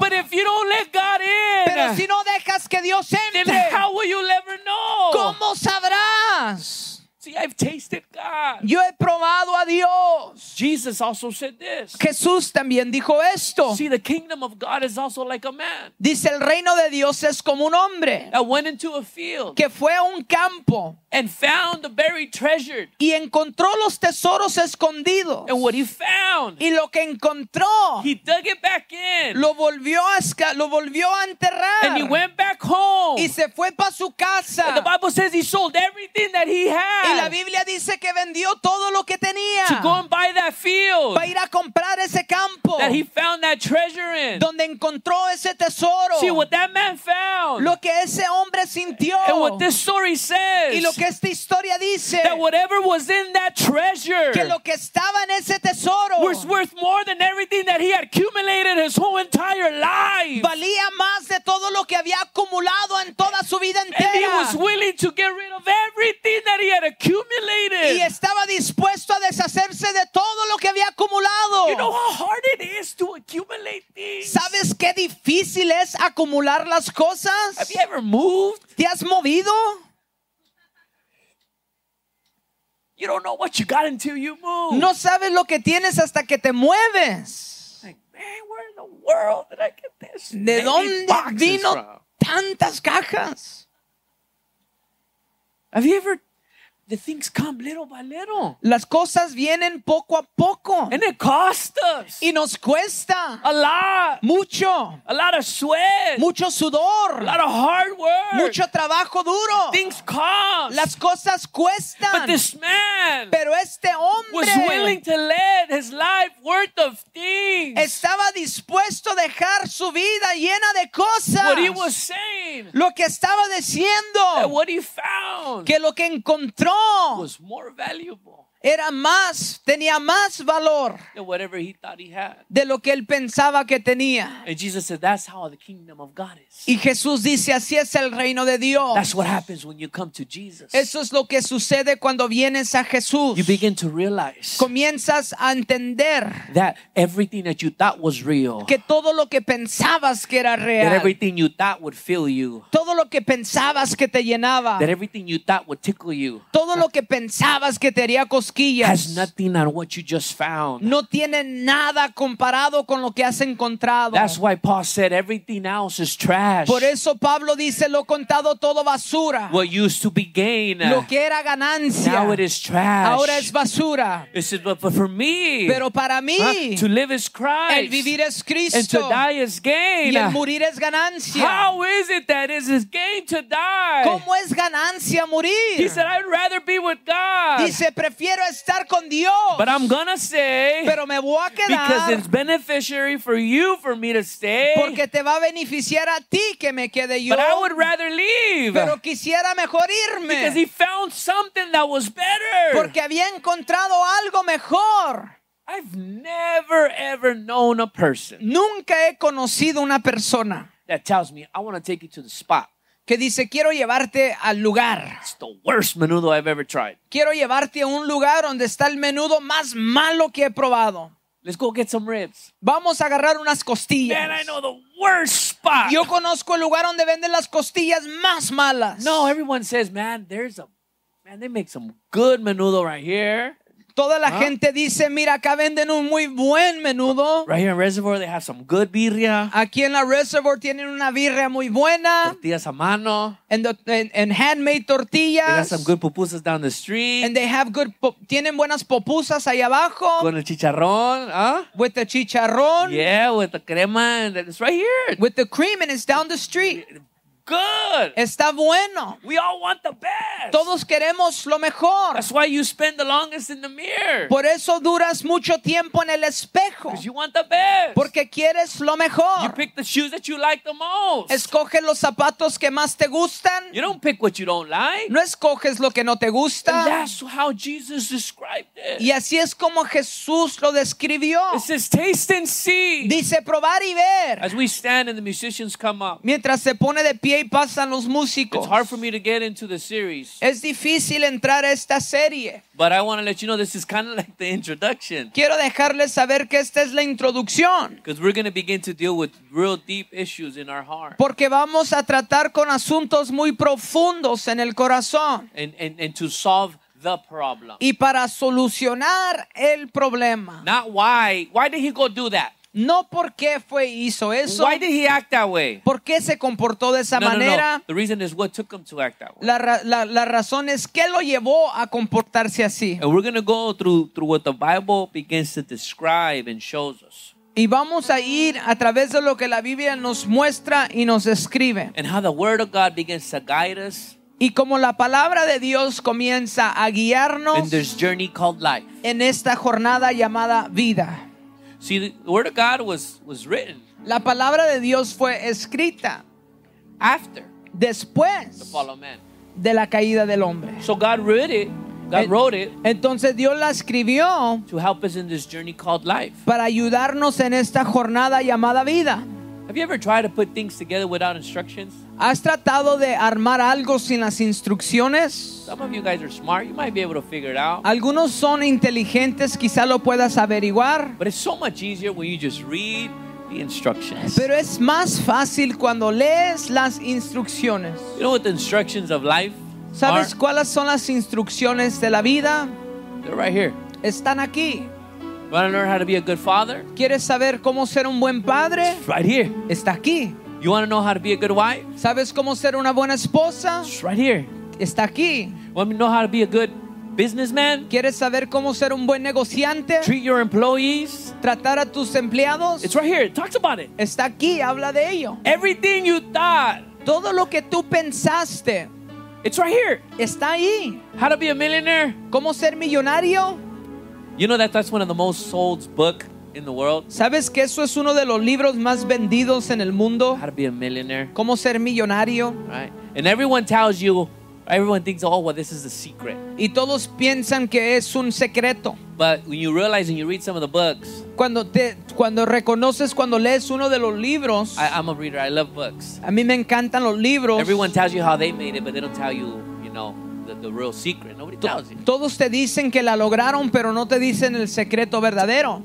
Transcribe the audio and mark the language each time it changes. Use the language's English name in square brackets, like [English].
[English] But if you don't let God in. [Spanish] Pero si no dejas que Dios [English] then how will you ever know? [Spanish] ¿Cómo sabrás? [English] See, I've tasted God. [Spanish] Yo he probado a Dios. [English] Jesus also said this. [Spanish] Jesús también dijo esto. [English] See, the kingdom of God is also like a man. [Spanish] Dice, el reino de Dios es como un hombre. [English] That went into a field. [Spanish] Que fue a un campo. [English] And found the buried treasure. [Spanish] Y encontró los tesoros escondidos. [English] And what he found. [Spanish] Y lo que encontró. [English] He dug it back in. [Spanish] Lo volvió a enterrar. [English] And he went back home. [Spanish] Y se fue para su casa. [English] And the Bible says he sold everything that he had. [Spanish] Y la Biblia dice que vendió todo lo que tenía. [English] To go and buy that field. [Spanish] Para ir a comprar ese campo. [English] That he found that treasure in. [Spanish] Donde encontró ese tesoro. [English] See what that man found. [Spanish] Lo que ese hombre sintió. [English] And what this story says. [Spanish] Y lo que esta historia dice. [English] That whatever was in that treasure. [Spanish] Que lo que estaba en ese tesoro. [English] Was worth more than everything that he had accumulated his whole entire life. [Spanish] Valía más de todo lo que había acumulado en toda su vida entera. [English] And he was willing to get rid of everything that he had accumulated. [Spanish] Y estaba dispuesto a deshacerse de todo lo que había acumulado. [English] You know how hard it is to accumulate things. [Spanish] ¿Sabes qué difícil es acumular las cosas? [English] Have you ever moved? [Spanish] ¿Te has movido? [English] You don't know what you got until you move. [Spanish] No sabes lo que tienes hasta que te mueves. [English] Like, man, where in the world did I get this? [Spanish] ¿De dónde vino tantas cajas? [English] Have you ever The things come little by little. [Spanish] Las cosas vienen poco a poco. [English] And it costs us. [Spanish] Y nos cuesta. [English] A lot. [Spanish] Mucho. [English] A lot of sweat. [Spanish] Mucho sudor. [English] A lot of hard work. [Spanish] Mucho trabajo duro. [English] Things cost. [Spanish] Las cosas cuestan. [English] But this man. [Spanish] Pero este hombre. [English] Was willing to let his life worth of things. [Spanish] Estaba dispuesto a dejar su vida llena de cosas. [English] What he was saying. [Spanish] Lo que estaba diciendo. [English] That what he found. [Spanish] Que lo que encontró. [English] Was more valuable. [Spanish] Era más, tenía más valor [English] than whatever he thought he had. [Spanish] De lo que él pensaba que tenía. [English] And Jesus said, "That's how the kingdom of God is." [Spanish] Y Jesús dice, así es el reino de Dios. [English] That's what happens when you come to Jesus. [Spanish] Eso es lo que sucede cuando vienes a Jesús. [English] You begin to realize. [Spanish] Comienzas a entender [English] that everything that you thought was real. [Spanish] Que todo lo que pensabas que era real. [English] That everything you thought would fill you. [Spanish] Todo lo que pensabas que te llenaba. [English] That everything you thought would tickle you. [Spanish] Todo lo que pensabas que te haría [English] has nothing on what you just found. [Spanish] No tiene nada comparado con lo que has encontrado. [English] That's why Paul said everything else is trash. [Spanish] Por eso Pablo dice lo contado todo basura. [English] What used to be gain. [Spanish] Lo que era ganancia. [English] Now it is trash. [Spanish] Ahora es basura. [English] He said, but for me. [Spanish] Pero para mí. [English] Huh? To live is Christ. [Spanish] El vivir es Cristo. [English] And to die is gain. [Spanish] Y el morir es ganancia. [English] How is it that it is gain to die? [Spanish] ¿Cómo es ganancia morir? [English] He said, I'd rather be with God. [Spanish] Dice, prefiero estar con Dios. [English] But I'm gonna say, [Spanish] pero me voy a quedar, [English] because it's beneficiary for you for me to stay. [Spanish] Porque te va a beneficiar a ti que me quede yo. [English] But I would rather leave. [Spanish] Pero quisiera mejor irme. [English] Because he found something that was better. [Spanish] Porque había encontrado algo mejor. [English] I've never ever known a person. [Spanish] Nunca he conocido una persona. [English] That tells me I want to take you to the spot. [Spanish] Que dice, quiero llevarte al lugar. [English] It's the worst menudo I've ever tried. [Spanish] Quiero llevarte a un lugar donde está el menudo más malo que he probado. [English] Let's go get some ribs. [Spanish] Vamos a agarrar unas costillas. [English] Man, I know the worst spot. [Spanish] Yo conozco el lugar donde venden las costillas más malas. [English] No, everyone says, man, there's a... Man, they make some good menudo right here. [Spanish] Toda la gente dice, mira, acá venden un muy buen menudo. [English] Right here in Reservoir, they have some good birria. [Spanish] Aquí en la Reservoir tienen una birria muy buena. Tortillas a mano. [English] And handmade tortillas. They got some good pupusas down the street. And they have good, [Spanish] tienen buenas pupusas ahí abajo. Con el chicharrón, [English] With the chicharrón. Yeah, with the crema, and it's right here. With the cream, and it's down the street. Good. [Spanish] Está bueno. [English] We all want the best. [Spanish] Todos queremos lo mejor. [English] That's why you spend the longest in the mirror. [Spanish] Por eso duras mucho tiempo en el espejo. [English] Because you want the best. [Spanish] Porque quieres lo mejor. [English] You pick the shoes that you like the most. [Spanish] Escoge los zapatos que más te gustan. [English] You don't pick what you don't like. [Spanish] No escoges lo que no te gusta. [English] And that's how Jesus described it. [Spanish] Y así es como Jesús lo describió. [English] It says taste and see. [Spanish] Dice probar y ver. [English] As we stand and the musicians come up. [Spanish] Mientras se pone de pie y pasan los músicos. [English] It's hard for me to get into the series. [Spanish] Es difícil entrar a esta serie. [English] But I want to let you know this is kind of like the introduction. [Spanish] Quiero dejarles saber que esta es la introducción. [English] Because we're going to begin to deal with real deep issues in our heart. [Spanish] Porque vamos a tratar con asuntos muy profundos en el corazón. [English] And to solve the problem. [Spanish] Y para solucionar el problema. [English] Not why. Why did he go do that? [Spanish] No por qué fue hizo eso. [English] Why did he act that way? [Spanish] ¿Por qué se comportó de esa manera? [English] No. The reason is what took him to act that way. [Spanish] La razón es qué lo llevó a comportarse así. [English] And we're going to go through what the Bible begins to describe and shows us. [Spanish] Y vamos a ir a través de lo que la Biblia nos muestra y nos describe. [English] And how the word of God begins to guide us. [Spanish] Y como la palabra de Dios comienza a guiarnos. [English] In this journey called life. [Spanish] En esta jornada llamada vida. [English] See, the word of God was written. [Spanish] La palabra de Dios fue escrita. [English] After. [Spanish] Después. [English] The fall of man. [Spanish] De la caída del hombre. [English] So God wrote it. [Spanish] Entonces Dios la escribió. [English] To help us in this journey called life. [Spanish] Para ayudarnos en esta jornada llamada vida. [English] Have you ever tried to put things together without instructions? [Spanish] ¿Has tratado de armar algo sin las instrucciones? [English] Some of you guys are smart. You might be able to figure it out. [Spanish] Algunos son inteligentes, quizá lo puedas averiguar. [English] But it's so much easier when you just read the instructions. [Spanish] Pero es más fácil cuando lees las instrucciones. [English] You know what the instructions of life are? [Spanish] ¿Sabes cuáles son las instrucciones de la vida? [English] They're right here. [Spanish] Están aquí. [English] Want to learn how to be a good father? [Spanish] ¿Quieres saber cómo ser un buen padre? [English] It's right here. [Spanish] Está aquí. [English] You want to know how to be a good wife? [Spanish] ¿Sabes cómo ser una buena esposa? [English] It's right here. [Spanish] está aquí. [English] Want to know how to be a good businessman? [Spanish] ¿Quieres saber cómo ser un buen negociante? [English] Treat your employees. [Spanish] Tratar a tus empleados. [English] It's right here. It talks about it. [Spanish] Está aquí. Habla de ello. [English] Everything you thought. [Spanish] Todo lo que tú pensaste. [English] It's right here. [Spanish] Está ahí. [English] How to be a millionaire. [Spanish] ¿Cómo ser millonario? [English] You know that that's one of the most sold books in the world. [Spanish] ¿Sabes que eso es uno de los libros más vendidos en el mundo? [English] How to be a millionaire. [Spanish] ¿Cómo ser millonario? [English] Right. And everyone tells you, everyone thinks, oh, well, this is a secret. [Spanish] Y todos piensan que es un secreto. [English] But when you realize and you read some of the books. [Spanish] Cuando reconoces, cuando lees uno de los libros. [English] I'm a reader. I love books. [Spanish] A mí me encantan los libros. [English] Everyone tells you how they made it, but they don't tell you, you know, the real secret. Nobody tells you. [Spanish] Todos te dicen que la lograron, pero no te dicen el secreto verdadero.